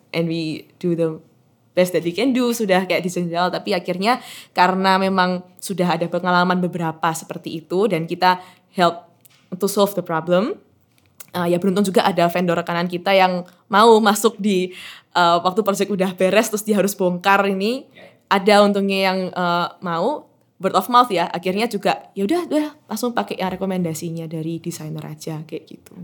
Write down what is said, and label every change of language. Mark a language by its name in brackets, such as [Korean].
[English] And we do the best that we can do. [Indonesian] Sudah kayak disenjal. Tapi akhirnya karena memang sudah ada pengalaman beberapa seperti itu. Dan kita [English] help to solve the problem. [Indonesian] Ya beruntung juga ada vendor rekanan kita yang mau masuk di waktu proyek udah beres terus dia harus bongkar ini. Ada untungnya yang mau, [English] word of mouth [Indonesian] ya. Akhirnya juga ya udah langsung pakai yang rekomendasinya dari desainer aja kayak gitu.